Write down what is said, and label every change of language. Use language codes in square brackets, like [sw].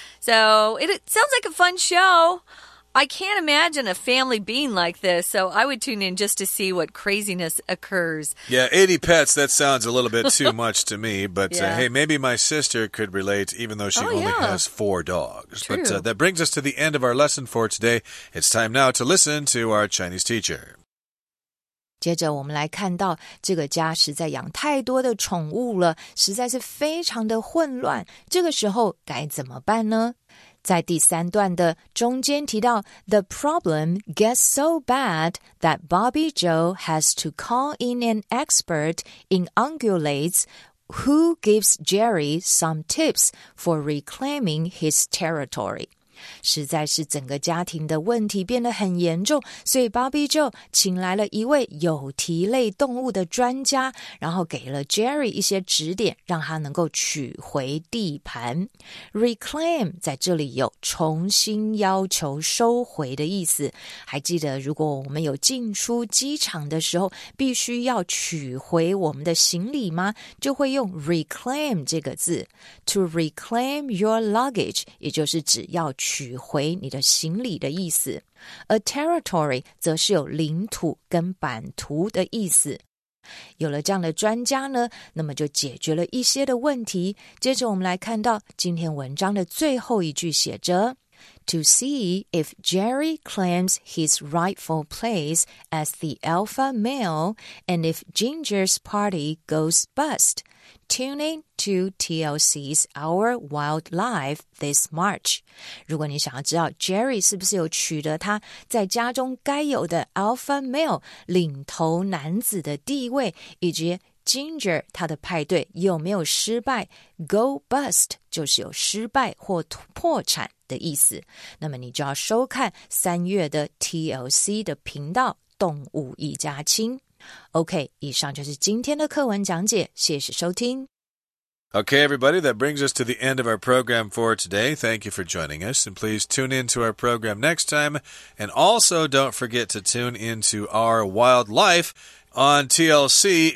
[en] So it sounds like a fun show. I can't imagine a family being like this, so I would tune in just to see what craziness occurs. Yeah, 80 pets, that sounds a little bit too much to me, but yeah. Hey, maybe my sister could relate, even though she has 4 dogs. True. But that brings us to the end of our lesson for today. It's time now to listen to our Chinese teacher. [zh] 接着我们来看到这个家实在养太多的宠物了，实在是非常的混乱，这个时候该怎么办呢？在第三段的中间提到 [en] The problem gets so bad that Bobby Joe has to call in an expert in ungulates who gives Jerry some tips for reclaiming his territory. [zh] 实在是整个家庭的问题变得很严重，所以 Bobby Joe 请来了一位有蹄类动物的专家，然后给了 Jerry 一些指点，让他能够取回地盘。 Reclaim 在这里有重新要求收回的意思，还记得如果我们有进出机场的时候必须要取回我们的行李吗？就会用 reclaim 这个字。 [en] To reclaim your luggage [zh] 也就是只要取回你的行李的意思。 A territory 则是有领土跟版图的意思。有了这样的专家呢，那么就解决了一些的问题。接着我们来看到今天文章的最后一句，写着 [en] To see if Jerry claims his rightful place as the alpha male and if Ginger's party goes bust, tune in to TLC's Our Wildlife this March. [zh] 如果你想要知道 Jerry 是不是有取得他在家中该有的 alpha male 领头男子的地位，以及 Ginger 他的派对有没有失败， go bust 就是有失败或破产的意思，那么你就要收看三月的 TLC 的频道动物一家亲。 OK, 以上就是今天的课文讲解，谢谢收听。 [en] Okay, everybody, that brings us to the end of our program for today. Thank you for joining us, and please tune in to our program next time. And also, don't forget to tune in to Our Wildlife on TLC.